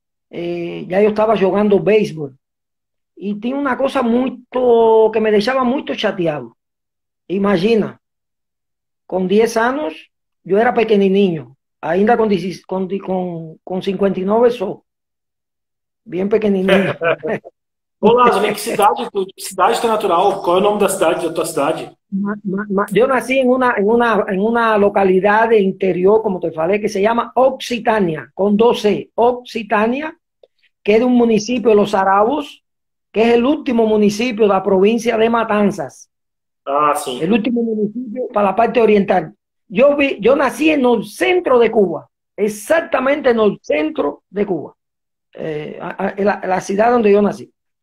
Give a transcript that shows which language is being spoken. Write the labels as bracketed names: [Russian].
[Spanish] Ya yo estaba jugando béisbol y tenía una cosa que me dejaba muy chateado. Imagina, con 10 años yo era pequeño niño, ainda con 59 soy bien pequeño niño. [Portuguese] Ô Lázaro, em que cidade tu é natural? Qual é o nome da cidade, da tua cidade? [Spanish] Yo nací en una localidad de interior, [Portuguese] como te falei, [Spanish] que se llama Occitania, con 12, Occitania, que es de un municipio de Los Arabos, que es el último municipio de la provincia de Matanzas, Ah, el [Portuguese] sim. [Spanish] último municipio para la parte oriental. Yo nací en el centro de Cuba, exactamente en el centro de Cuba, la ciudad donde yo nací.